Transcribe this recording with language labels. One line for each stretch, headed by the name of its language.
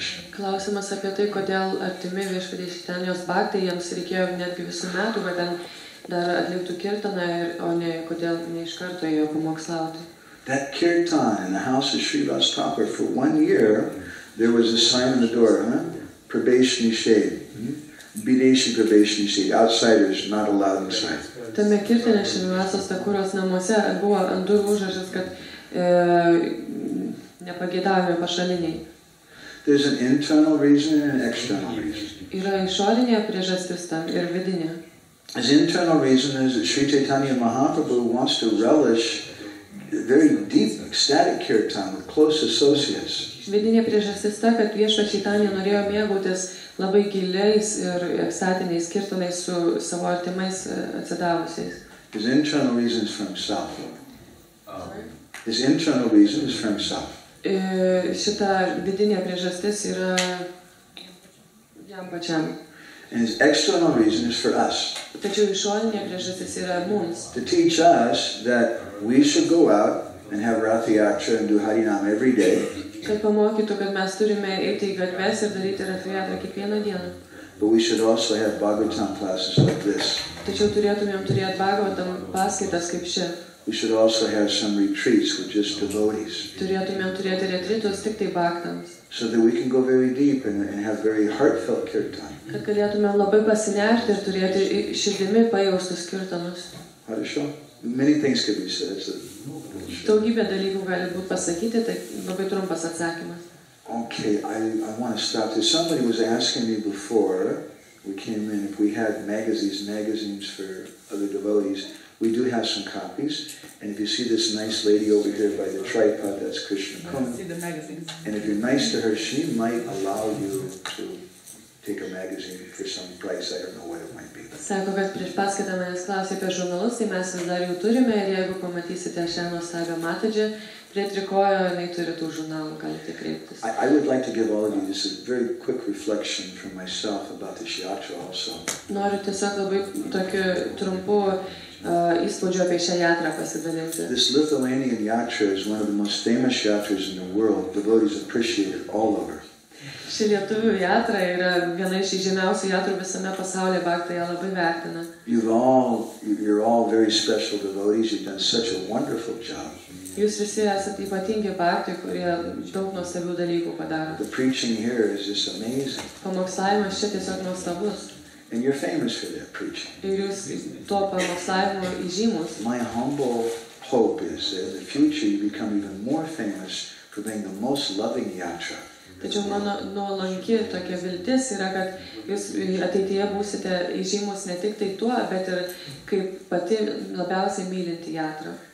Lithuanian: Klausimas apie tai, kodėl artimi viešpaties Čaitanjos Bhaktai jiems reikėjo netgi visų metų, kad ten dar atliktų kirtaną, o ne kodėl ne iš karto jau pamokslauti.
English: That kirtan in the house of Srivas Thakur for 1 year, there was a sign on the door, huh? Probation shade. Bideshi probation shade. Outsiders not allowed inside.
Lithuanian: Tame kirtane Srivasas Thakuras namuose buvo ant durų užrašas, kad nepageidavimai pašaliniai.
English: There's an internal reason and an external reason.
Lithuanian: Yra išorinė priežastis tam ir vidinė.
English: His internal reason is that Sri Chaitanya Mahaprabhu wants to relish very deep ecstatic kirtan with close associates.
Lithuanian: Vidinė priežastis ta, kad Viešpats Chaitanya norėjo mėgautis labai giliais ir ekstatiniais kirtanais su savo artimais atsidavusiais.
English: His internal reason is for himself. His internal reason is for himself.
Lithuanian: Šita vidinė priežastis yra jam pačiam.
English: And his external reason is for us.
Lithuanian: Tačiau išorinė priežastis yra mums.
English: To teach us that we should go out and have Rathiyatra and do Harinam every day.
Lithuanian: Kad pamokytų, kad mes turime eiti į gatves ir daryti Rathiyatra kiekvieną dieną.
English: But we should also have Bhagavatam classes like this.
Lithuanian: Tačiau turėtumėm turėti Bhagavatam paskaitas kaip ši.
English: We should also have some retreats with just devotees.
Lithuanian: Turėtumėm turėti retritus tik tai bhaktams.
English: So that we can go very deep and have very heartfelt kirtan.
Lithuanian: Kad galėtumėm labai pasinerti ir turėti širdimi pajaustus kirtanus.
English: Many things could be said. So
Lithuanian: daugybė dalykų gali būti pasakyti, tai labai trumpas atsakymas.
English: Okay, I want to stop this. Somebody was asking me before we came in if we had magazines for other devotees. We do have some copies, and if you see this nice lady over here by the tripod, that's Krishna Kumar. See the magazines. And if you're nice to her, she might allow you to take a magazine for some price. I don't know what it might be.
Lithuanian: Sako, kad prieš paskaitą manęs klausė apie žurnalus, tai mes vis dar jau turime, ir jeigu pamatysite šią nuostabią matadžią, prie trikojo, jinai turi tų žurnalų, galite kreiptis.
English: I would like to give all of you this a very quick reflection from myself about the Shiatra also.
Lithuanian: Noriu tiesiog labai tokiu trumpu įspūdžiu apie šią jatrą pasidalinti.
English: This Lithuanian yatra is one of the most famous yatras in the world. Devotees appreciate it all over.
Lithuanian: Ši lietuvių jatra yra viena iš žymiausių jatrų visame pasaulyje, bhaktai ją labai vertina.
English: You're all very special devotees. You've done such a wonderful job.
Lithuanian: Jūs visi esate ypatingi bhaktai, kurie daug nuostabių dalykų padaro.
English: The preaching here is just amazing.
Lithuanian: Pamokslavimas čia tiesiog nuostabus.
English: And you're famous for that preaching.
Lithuanian: Ir jūs to pamokslavimo įžymus.
English: My humble hope is that in the future you become even more famous for being the most loving yatra.
Lithuanian: Tačiau mano nuolanki tokia viltis yra, kad jūs ateityje būsite įžymus ne tik tai tuo, bet ir kaip pati labiausiai mylinti jatra.